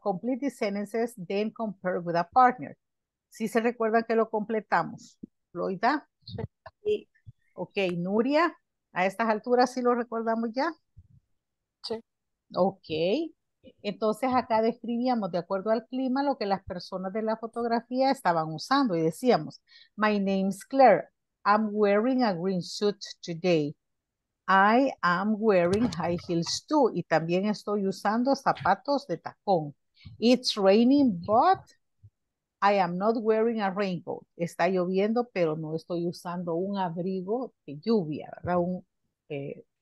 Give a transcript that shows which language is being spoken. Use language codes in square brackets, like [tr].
[en] Complete the sentences, then compare with a partner. [es] ¿Sí se recuerdan que lo completamos? ¿Floida? Sí. Ok, Nuria, ¿a estas alturas sí lo recordamos ya? Sí. Ok. Entonces acá describíamos de acuerdo al clima lo que las personas de la fotografía estaban usando y decíamos, [en] my name's Claire, I'm wearing a green suit today. I am wearing high heels too. [es] Y también estoy usando zapatos de tacón. [en] It's raining, but I am not wearing a raincoat. [es] Está lloviendo, pero no estoy usando un abrigo de lluvia, ¿verdad?